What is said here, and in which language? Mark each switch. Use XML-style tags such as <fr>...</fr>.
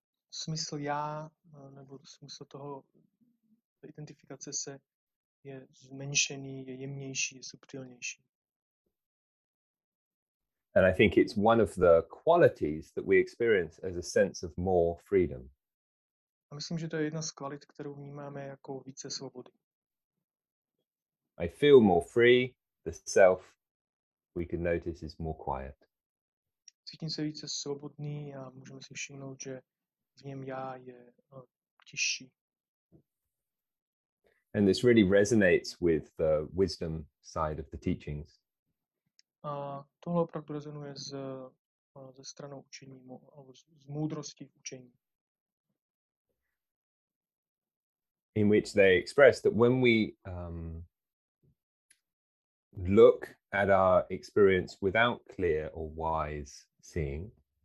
<cs>Smysl já nebo smysl toho identifikace se je zmenšený, je jemnější, je subtilnější.</cs> <en>And I think it's one of the qualities that we experience as a sense of more freedom.</en> <cs>A myslím, že to je jedna z kvalit, kterou vnímáme jako více svobody.</cs> <en>I feel more free, the self we can notice is more quiet.</en> <cs>Cítím se více svobodný a můžeme si všimnout, že v něm já je tiší.</cs> <en>And this really resonates with the wisdom side of the teachings.</en> <cs>A tohle opravdu rezonuje ze stranou učení, z moudrosti v učení.</cs> <en>In which they express that when we look at our experience without clear or wise seeing,</en>